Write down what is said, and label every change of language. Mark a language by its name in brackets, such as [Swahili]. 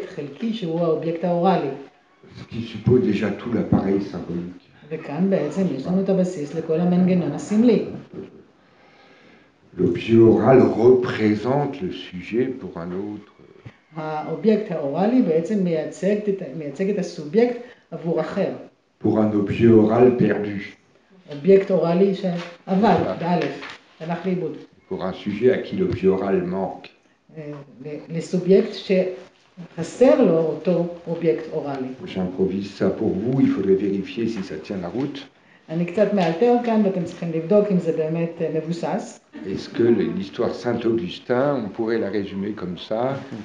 [French] Ce qui suppose déjà tout l'appareil symbolique. L'objet oral représente le sujet pour un autre. [Hebrew] האובייקט האוראלי בעצם מייצג את הסובייקט עבור אחר. [French] Pour un objet oral perdu. [Hebrew] אובייקט אוראלי שאבד, באלף, הלך לאיבוד. [French] Pour un sujet à qui l'objet oral manque. [Hebrew] לסובייקט שחסר לו אותו אובייקט אוראלי. [French] J'improvise ça pour vous, il faudrait vérifier si ça tient la route. [Hebrew] אני קצת מאלתר כאן ואתם צריכים לבדוק אם זה באמת מבוסס. [French] Est-ce que l'histoire Saint-Augustin, on pourrait la résumer comme ça?